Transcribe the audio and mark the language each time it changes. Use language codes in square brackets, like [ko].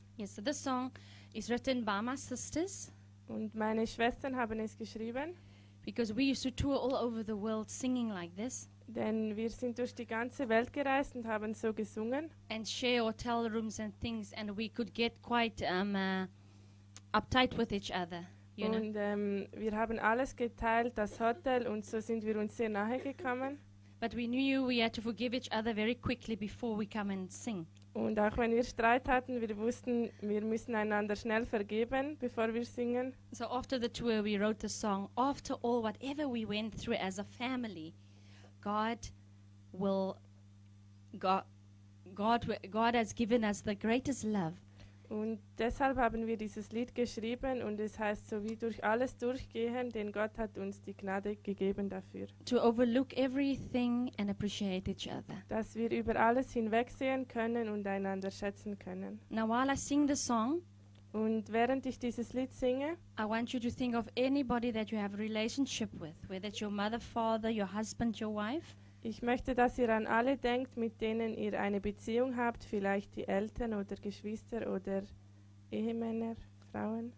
[en] Yes, so this song is written by my sisters. [de] Und meine Schwestern haben es geschrieben. [en] Because we used to tour all over the world singing like this. [de] Denn wir sind durch die ganze Welt gereist und haben so gesungen. [en] And share hotel rooms and things, and we could get quite uptight with each other. [de] Und wir haben alles geteilt, das Hotel, und so sind wir uns sehr nahe gekommen. [en] But we knew we had to forgive each other very quickly before we come and sing. [de] Und auch wenn wir Streit hatten, wir wussten, wir müssen einander schnell vergeben, bevor wir singen. [en] So after the tour, we wrote the song, After All, whatever we went through as a family, God has given us the greatest love. [de] Und deshalb haben wir dieses Lied geschrieben und es heißt, so wie durch alles durchgehen, denn Gott hat uns die Gnade gegeben dafür. [en] To overlook everything and appreciate each other. [de] Dass wir über alles hinwegsehen können und einander schätzen können. [en] Now while I sing the song, [de] und während ich dieses Lied singe, [en] I want you to think of anybody that you have a relationship with, whether it's your mother, father, your husband, your wife. [de] Ich möchte, dass ihr an alle denkt, mit denen ihr eine Beziehung habt, vielleicht die Eltern oder Geschwister oder Ehemänner, Frauen.